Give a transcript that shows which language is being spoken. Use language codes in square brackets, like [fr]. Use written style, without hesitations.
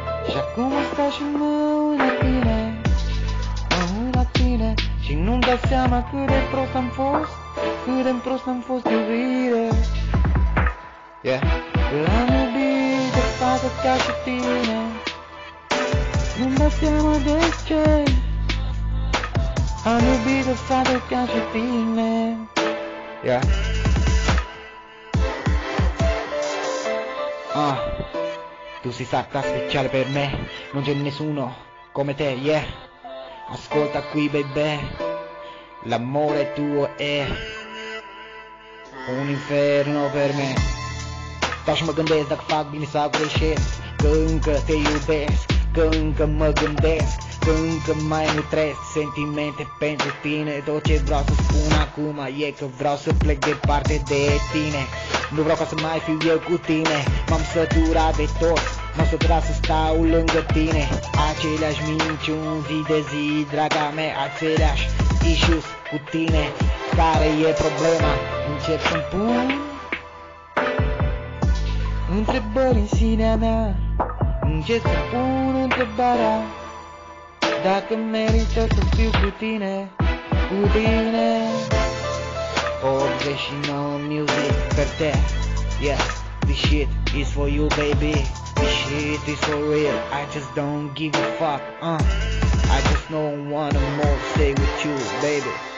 [ro] Și acum stau și mă uit la tine, mă uit la tine și nu-mi dau seama cât de prost am fost, cât de prost am fost iubire. [en] Yeah. [ro] L-am iubit de față ca și tine, nu-mi dau seama de ce. Am iubit o fată ca și tine. [en] Yeah. [it] Ah, tu sei stata speciale per me, non c'è nessuno come te. [en] Yeah. [it] Ascolta qui, baby, l'amore tuo è un inferno per me. Faccio [ro] mă gândesc dacă fac bine sau greșesc, că încă te iubesc, că încă mă gândesc, că încă mai nutresc sentimente pentru tine. Tot ce vreau să spun acum e că vreau să plec departe de tine. Nu vreau ca să mai fiu eu cu tine. M-am săturat de tot, m-am săturat să stau lângă tine. Aceleași minciuni zi de zi, draga mea, aceleași issues cu tine. Care e problema? Încep să-mi pun întrebări în sinea mea. Încep să-mi pun întrebarea, dacă merită să fiu cu tine, cu tine. [it] 89 music per te. [en] Yeah, this shit is for you, baby. This shit is for real, I just don't give a fuck. I just don't wanna more stay with you, baby.